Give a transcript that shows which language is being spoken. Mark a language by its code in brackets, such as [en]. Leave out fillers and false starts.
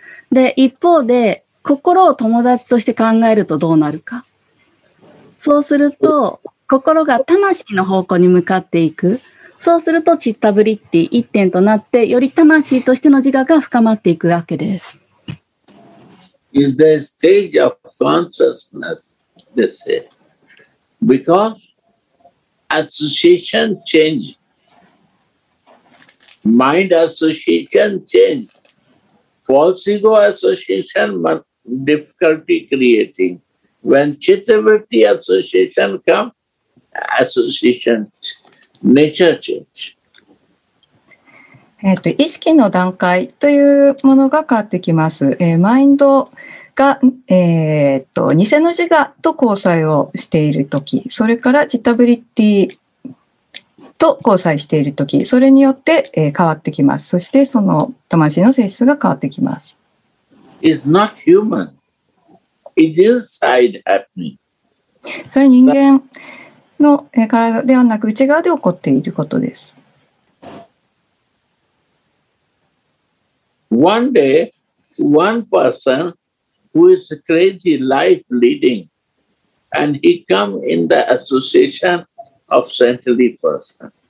[ja] で、一方で、心を友達として考えるとどうなるか。そうすると、心が魂の方向に向かっていく。そうすると、チッタブリッティ一点となって、より魂としての自我が深まっていくわけです。 [en] Is the stage of consciousness, they say, because? Association change. Mind association change. False ego association, difficulty creating. When Chittavritti association come, association, nature change. [ja] 意識の段階というものが変わってきます。マインドが、偽の自我と交際をしているとき、それからチッタブリッティと交際しているとき、それによって、変わってきます。そしてその魂の性質が変わってきます。 [en] It's not human. It's inside happening. [ja] それは人間の体ではなく内側で起こっていることです。 [en] One day, one person,who is a crazy life leading, and he come in the association of saintly person.